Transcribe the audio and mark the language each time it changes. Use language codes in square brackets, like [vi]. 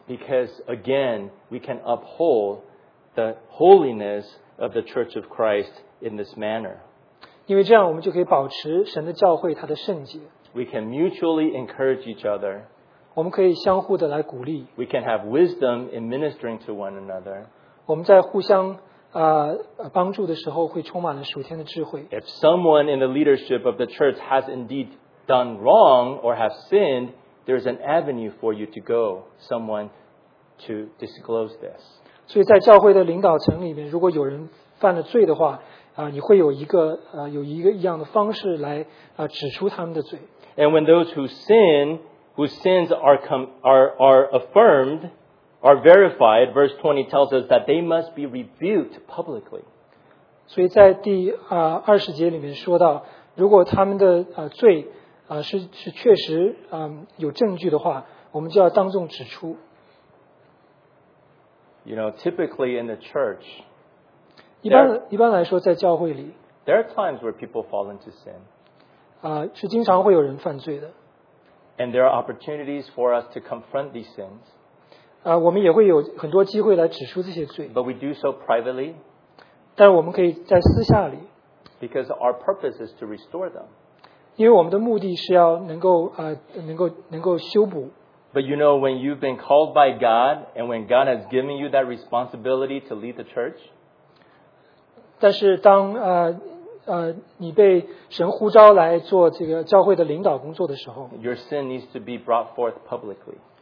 [en] Because again, we can uphold the holiness of the Church of Christ in this manner， [zh] 因为这样我们就可以保持神的教会它的圣洁。 [en] We can mutually encourage each other。 [zh] 我们可以相互的来鼓励。 [en] We can have wisdom in ministering to one another. [zh] 我们在互相帮助的时候会充满了属天的智慧。 [en] If someone in the leadership of the church has indeed done wrong or have sinned, there is an avenue for you to go, someone to disclose this. [zh] 所以在教会的领导层里面，如果有人犯了罪的话，你会有一个一样的方式来指出他们的罪。 [en] And when those who sin,whose sins are affirmed, are verified, verse 20 tells us that they must be rebuked publicly. [zh] 所以在第20节里面说到，如果他们的罪是确实有证据的话，我们就要当众指出。 [en] You know, typically in the church, [zh] 一般来说在教会里 [en] there are times where people fall into sin. [zh] 是经常会有人犯罪的。 [en] And there are opportunities for us to confront these sins. [zh] 我们也会有很多机会来指出这些罪。 [en] But we do so privately. [zh] 但我们可以在私下里。 [en] Because our purpose is to restore them. [zh] 因为我们的目的是要能够修补。 [en] But you know, when you've been called by God, and when God has given you that responsibility to lead the church, [zh] 但是当你被神呼召来做这个教会的领导工作的时候， [en] your sin needs to be brought forth publicly.